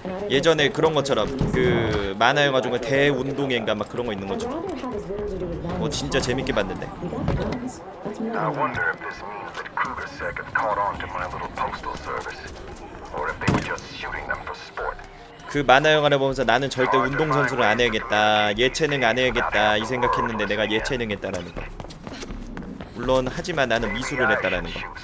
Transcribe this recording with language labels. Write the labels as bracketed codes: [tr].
[ko] 예전에 그런 것처럼 그 만화 영화 중에 대운동회인가 막 그런 거 있는 것처럼. 뭐 진짜 재밌게 봤는데. [en] I wonder if this means that Krugersek have caught on to my little postal service, or if they were just shooting them for sport. [ko] 그 만화 영화를 보면서 나는 절대 운동 선수를 안 해야겠다, 예체능 안 해야겠다 이 생각했는데 내가 예체능했다라는 거. 물론 하지만 나는 미술을 했다라는 거.